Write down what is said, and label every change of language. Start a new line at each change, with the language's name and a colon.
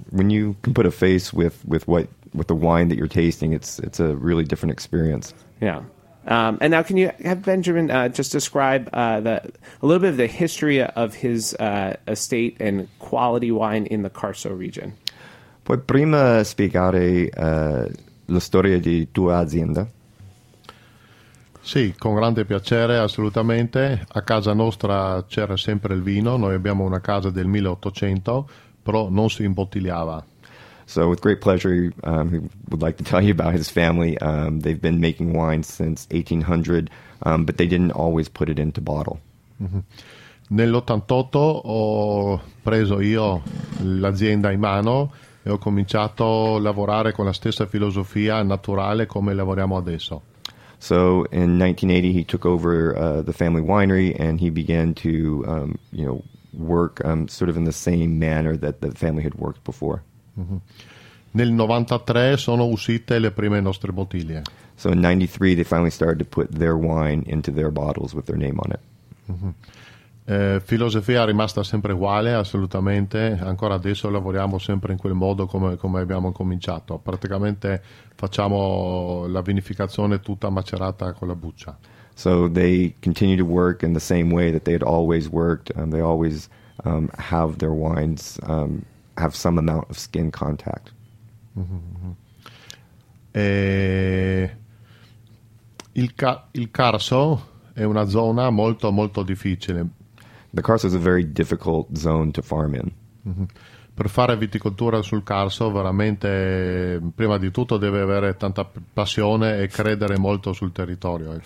English: When you can put a face with the wine that you're tasting, it's a really different experience. Yeah. And now, can you have Benjamin just describe a little bit of the history of his estate and quality wine in the Carso region?
Italian: Puoi prima spiegare la storia di tua azienda? Sì, con grande piacere, assolutamente. A casa nostra c'era sempre il vino. Noi abbiamo una casa del 1800, però non si imbottigliava.
English: So with great pleasure, he would like to tell you about his family. They've been making wine since 1800, but they didn't always put it into bottle. Mm-hmm.
Italian: Nell'88 ho preso io l'azienda in mano e ho cominciato a lavorare con la stessa filosofia naturale come lavoriamo adesso.
English: So in 1980, he took over the family winery and he began to work sort of in the same manner that the family had worked before.
Italian: Mm-hmm. Nel 93 sono uscite le prime nostre bottiglie.
English: So in 93 they finally started to put their wine into their bottles with their name on it.
Italian: Mm-hmm. Filosofia è rimasta sempre uguale, assolutamente. Ancora adesso lavoriamo sempre in quel modo come abbiamo cominciato. Praticamente facciamo la vinificazione tutta macerata con la buccia.
English: So they continue to work in the same way that they had always worked. They always have their wines have some amount of skin contact. Mm-hmm.
Italian: Il Carso è una zona molto molto difficile.
English: The Carso is a very difficult zone to farm in. Mm-hmm.
Italian: Per fare viticoltura sul Carso, veramente prima di tutto deve avere tanta passione e credere molto sul territorio.